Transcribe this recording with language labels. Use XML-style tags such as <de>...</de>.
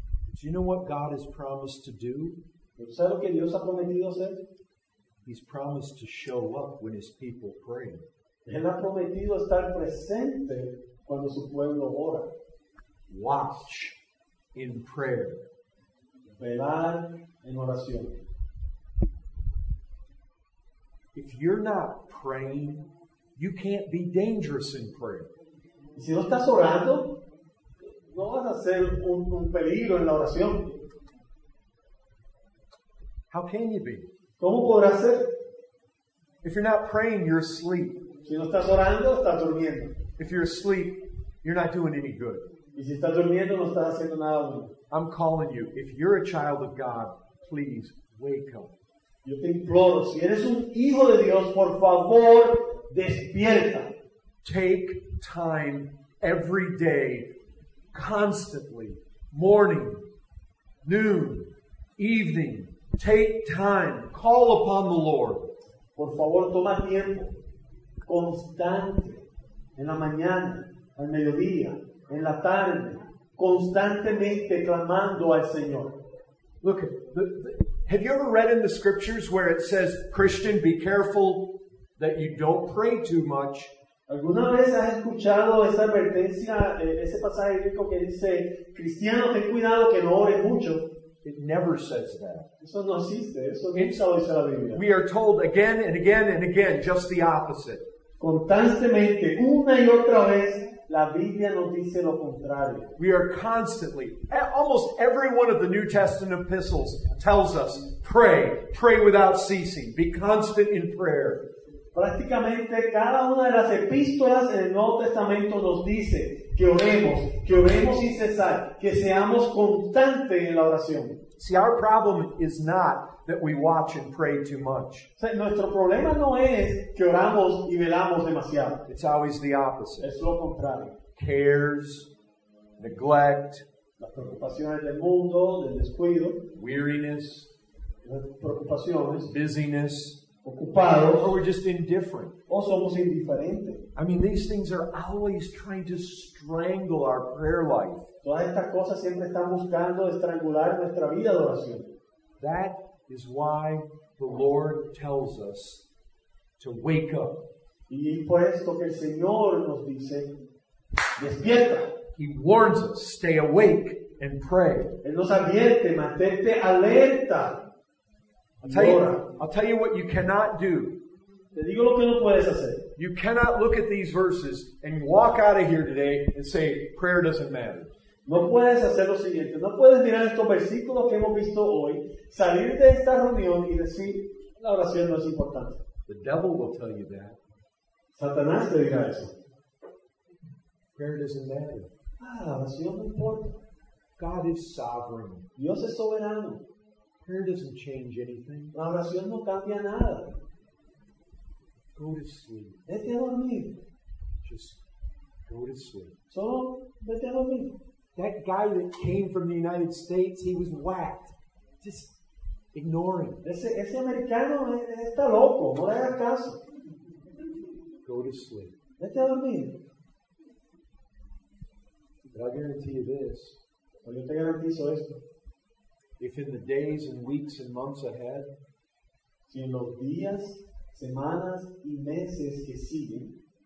<en>But you know what God has promised to do?</en> <es>¿Sabes lo que Dios ha prometido hacer?</es> <en>He's promised to show up when his people pray.</en> <es>Él ha prometido estar presente cuando su pueblo ora.</es> <en>Watch in prayer.</en> <es>Velar en oración.</es> <en>If you're not praying, you can't be dangerous in prayer.</en> <es>Si no estás orando, no vas a ser un peligro en la oración.</es> <en>How can you be?</en> <es>¿Cómo podrás ser?</es> <en>If you're not praying, you're asleep.</en> <es>Si no estás orando, estás durmiendo.</es> <en>If you're asleep, you're not doing any good.</en> <es>Y si estás durmiendo, no estás haciendo nada bueno.</es> <en>I'm calling you. If you're a child of God, please wake up.</en> <es>Yo te imploro. Si eres un hijo de Dios, por favor, despierta.</es> <en>Take time every day, constantly, morning, noon, evening. Take time. Call upon the Lord.</en> <es>Por favor, toma tiempo. Constante. En la mañana, al mediodía, en la tarde. Constantemente clamando al Señor.</es> <en>Look, have you ever read in the scriptures where it says, Christian, be careful that you don't pray too much?</en> <es>¿Alguna vez has escuchado esa advertencia, ese pasaje bíblico que dice, Cristiano, ten cuidado que no ores mucho?</es> <en>It never says that.</en> <es>Eso no existe. Eso nunca lo dice la Biblia.</es> <en>We are told again and again and again just the opposite.</en> <es>Constantemente, una y otra vez, la Biblia nos dice lo contrario.</es> <en>We are constantly, almost every one of the New Testament epistles tells us, pray, pray without ceasing, be constant in prayer.</en> <es>Prácticamente cada una de las epístolas en el Nuevo Testamento nos dice que oremos sin cesar, que seamos constantes en la oración.</es> <en>See, our problem is not that we watch and pray too much.</en> <es>O sea, nuestro problema no es que oramos y velamos demasiado.</es> <en>It's always the opposite.</en> <es>Es lo contrario.</es> <en>Cares, neglect,</en> <es>las preocupaciones del mundo, del descuido,</es> <en>weariness,</en> <es>las preocupaciones,</es> <en>busyness,</en> <es>ocupados,</es> <en>or we're just indifferent.</en> <es>O somos indiferentes.</es> <en>I mean, these things are always trying to strangle our prayer life.</en> <es>Todas estas cosas siempre están buscando estrangular nuestra vida de oración.</es> <en>That is why the Lord tells us to wake up.</en> <es>Y por esto que el Señor nos dice, despierta.</es> <en>He warns us, stay awake and pray.</en> <es>Él nos advierte, mantente alerta.</es> <en>I'll tell you what you cannot do.</en> <es>Te digo lo que no puedes hacer.</es> <en>You cannot look at these verses and walk out of here today and say, prayer doesn't matter.</en> <es>No puedes hacer lo siguiente. No puedes mirar estos versículos que hemos visto hoy, salir de esta reunión y decir, la oración no es importante.</es> <en>The devil will tell you that.</en> <es>Satanás te dirá eso.</es> <en>Prayer doesn't matter.</en> <es>Ah, la oración no importa.</es> <en>God is sovereign.</en> <es>Dios es soberano.</es> <en>Prayer doesn't change anything.</en> <es>La oración no cambia nada.</es> <en>Go to sleep.</en> <es>Vete a dormir.</es> <en>Just go to sleep.</en> <es>Solo vete a dormir.</es> <en>That guy that came from the United States, he was whacked. Just ignore him.</en> <es>Ese americano está loco. No le hagas caso.</es> <en>Go to sleep.</en> <es>Vete a dormir.</es> <en>But I guarantee you this.</en> <es>Yo te garantizo esto.</es> <en>If in the days and weeks and months ahead,</en> <es>si en los días, semanas y meses que siguen,</es>